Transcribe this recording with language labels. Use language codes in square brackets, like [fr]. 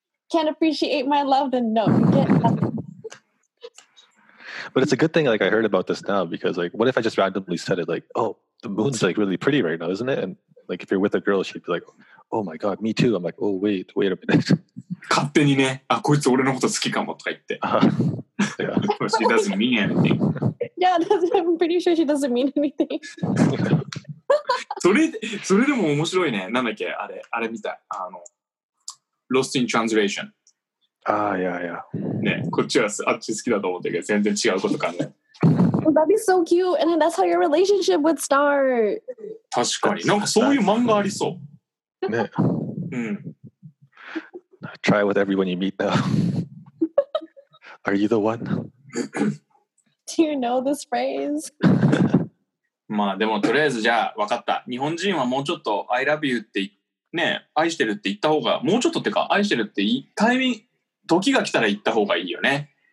[en] Can't appreciate my love, then no, you get nothing. But it's a good thing, like, I heard about this now, because, like, what if I just randomly said it, like, oh, the moon's, like, really pretty right now, isn't it? And, like, if you're with a girl, she'd be like, oh my god, me too. I'm like, oh, wait a minute. [ja] 勝手にね、あ、こいつ俺のこと好きかもとか言って。 [en] Yeah. She doesn't mean anything. Yeah, I'm pretty sure she doesn't mean anything. [ja] それでも面白いね。なんだっけ、あれみたい。 [en] Lost in Translation。 [ja] ああ、いやいや。ね、こっちはあっち好きだと思ってるけど、全然違うことかね。 [en] Well, that'd be so cute, and that's how your relationship would start. [ja] 確かに。なんかそういう漫画ありそう。ね。うん。 [en] Try with everyone you meet now. Are you the one? Do you know this phrase? [ja] まあでもとりあえずじゃあ分かった、日本人はもうちょっと [en] I love you [ja] ってね、愛してるって言った方が、もうちょっとってか愛してるって言い、タイミング時が来たら言った方がいいよね、